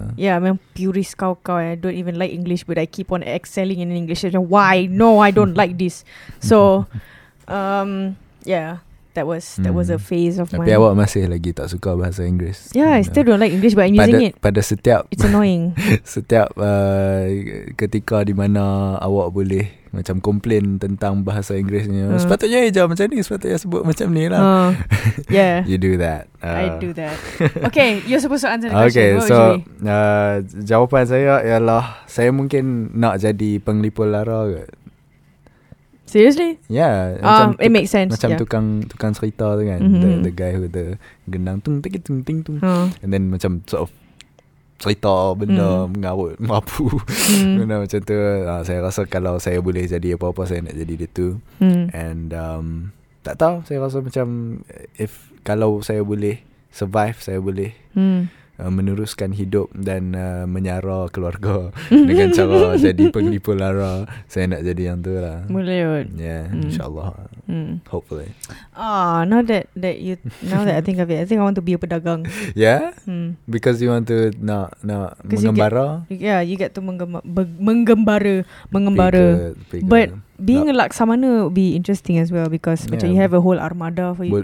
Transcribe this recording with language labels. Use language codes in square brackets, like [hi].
[en] Yeah, I mean purist kau-kau. I don't even like English, but I keep on excelling in English. Why? No, I don't like this. So, yeah, that was a phase of [ms] mine. Tapi awak masih lagi tak suka bahasa Inggeris. [en] Yeah, I still don't like English, but I'm using it. [ms] Pada setiap [en] it's annoying. [ms] Setiap ketika di mana awak boleh macam komplain tentang bahasa Inggerisnya. Sepatutnya je macam ni, sepatutnya sebut macam ni lah. [en] Yeah. You do that. I do that. Okay, you're supposed to answer the question. [ms] Okay, so jawapan saya ialah saya mungkin nak jadi penglipur lara kot. [en] Seriously? Yeah. It makes sense. [ms] Macam [en] yeah. [ms] tukang cerita tu kan. [en] The guy who the [ms] gendang tung tiki tung ting tung. And then macam sort of cerita benda mengarut mampu. Benda macam tu. Saya rasa kalau saya boleh jadi apa-apa, saya nak jadi dia tu. And tak tahu, saya rasa macam if kalau saya boleh survive, saya boleh meneruskan hidup dan menyara keluarga dengan cara jadi penglipur lara, saya nak jadi yang tu lah. Boleh. [en] Yeah, insyaAllah. Hopefully. Now that I think of it, I think I want to be a pedagang. Yeah. Because you want to [ms] nak mengembara. [en] You get to mengembara. But being a laksamana would be interesting as well because macam you have a whole armada for you.